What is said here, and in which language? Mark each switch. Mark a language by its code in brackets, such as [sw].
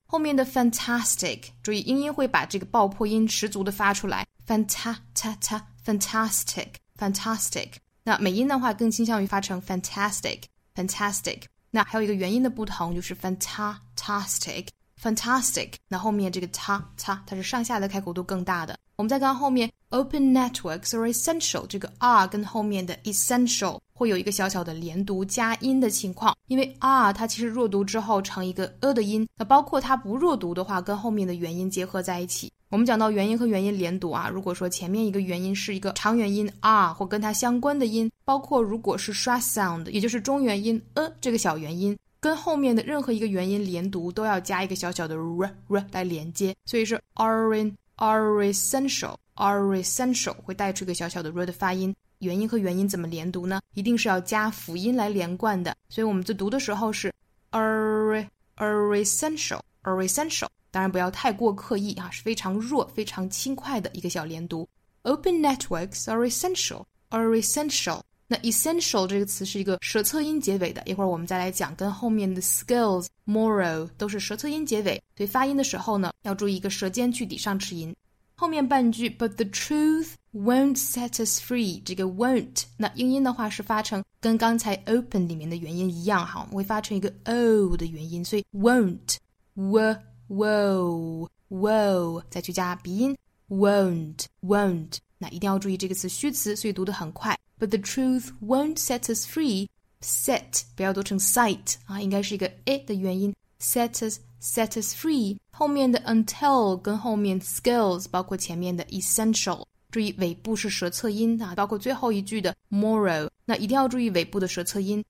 [zh] 后面的 fantastic， 注意英音会把这个爆破音十足的发出来 ，fantastic。那美音的话更倾向于发成 fantastic。 [en] Fantastic. [zh] 那还有一个元音的不同就是 fantastic. [en] Fantastic. [zh] 那后面这个 ta 它是上下的开口度更大的。我们再看后面 [en] open networks are essential. [zh] 这个 r 跟后面的 essential 会有一个小小的连读加音的情况。因为 r 它其实弱读之后成一个 e 的音。那包括它不弱读的话跟后面的元音结合在一起。我们讲到元音和元音连读啊，如果说前面一个元音是一个长元音 R 或跟它相关的音，包括如果是 stress sound， 也就是中元音 这个小元音，跟后面的任何一个元音连读都要加一个小小的 r 来连接，所以是 [en] are essential [zh] 会带出一个小小的 r 的发音。元音和元音怎么连读呢？一定是要加辅音来连贯的，所以我们在读的时候是 [en] are essential。 [zh] 当然不要太过刻意啊，是非常弱非常轻快的一个小连读。 [en] Open networks are essential, are essential. [zh] 那 essential 这个词是一个舌侧音结尾的，一会儿我们再来讲跟后面的 skills, moral 都是舌侧音结尾，所以发音的时候呢要注意一个舌尖去底上齿音。后面半句 [en] but the truth won't set us free, [zh] 这个 won't, 那英音的话是发成跟刚才 open 里面的元音一样哈，我们会发成一个 o 的元音，所以 won't, whoa 再去加鼻音 won't 那一定要注意这个词虚词，所以读得很快。 [en] But the truth won't set us free， [zh] set 不要读成 sight 啊，应该是一个 a 的元音。 set us free 后面的 until 跟后面 skills 包括前面的 essential， 注意尾部是舌侧音啊，包括最后一句的 moral， 那一定要注意尾部的舌侧音。